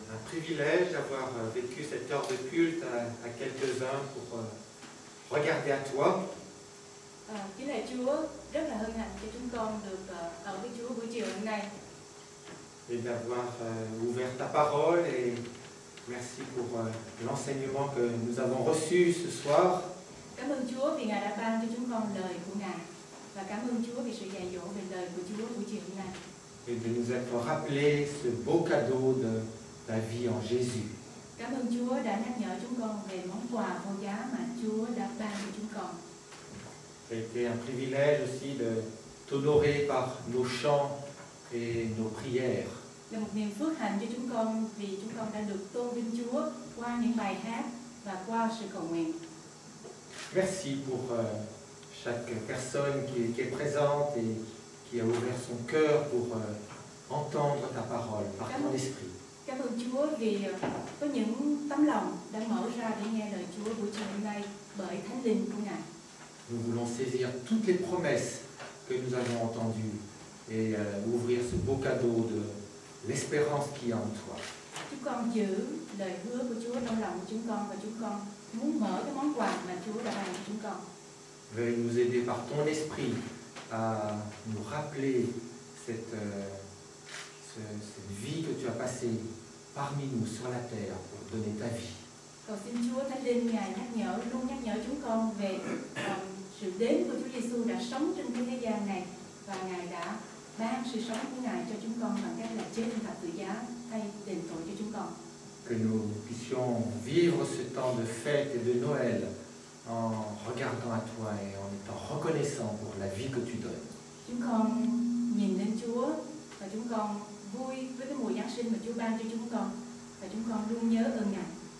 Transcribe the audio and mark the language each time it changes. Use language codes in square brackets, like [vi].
[fr] Privilège d'avoir vécu cette heure de culte à quelques-uns pour regarder à toi. [vi] Kính lạy Chúa, rất là hân hạnh cho chúng con được ở với Chúa buổi chiều hôm nay. [fr] Et d'avoir ouvert ta parole et merci pour l'enseignement que nous avons reçu ce soir. [vi] Cảm ơn Chúa vì Ngài đã ban cho chúng con lời của Ngài và cảm ơn Chúa vì sự dạy dỗ về lời của Chúa buổi chiều hôm nay. [fr] Et de nous être rappelé ce beau cadeau de ta vie en Jésus. [vi] Cảm ơn Chúa đã nhắc nhở chúng con về món quà vô giá mà Chúa đã ban cho chúng con. [fr] C'était un privilège aussi de t'honorer par nos chants et nos prières. [vi] Là một niềm phước hạnh cho chúng con vì chúng con đã được tôn vinh Chúa qua những bài hát và qua sự cầu nguyện. [fr] Merci pour chaque personne qui est présente et qui a ouvert son cœur pour entendre ta parole par ton esprit. [vi] Cảm ơn Chúa vì có những tấm lòng đã mở ra để nghe lời Chúa buổi chiều hôm nay bởi Thánh Linh của Ngài. [fr] Nous voulons saisir toutes les promesses que nous avons entendues et ouvrir ce beau cadeau de l'espérance qui est en toi. [vi] Chúng con giữ lời hứa của Chúa trong lòng của chúng con và chúng con muốn mở cái món quà mà Chúa đã ban cho chúng con. [fr] Veuille nous aider par ton esprit à nous rappeler cette cette vie que tu as passée parmi nous sur la terre pour donner ta vie. [vi] Cầu xin Chúa Thánh Linh Ngài nhắc nhở, luôn nhắc nhở chúng con về sự đến của Chúa Giêsu đã sống trên cái thế gian này và Ngài đã ban sự sống của Ngài cho chúng con bằng cách là chết trên thập tự giá thay đền tội cho chúng con. [fr] Que nous puissions vivre ce temps de fête et de Noël en regardant à toi et en étant reconnaissant pour la vie que tu donnes. [vi] Chúng con nhìn lên Chúa và chúng con vui với cái mùa Giáng sinh mà Chúa ban cho chúng con và chúng con luôn nhớ ơn Ngài.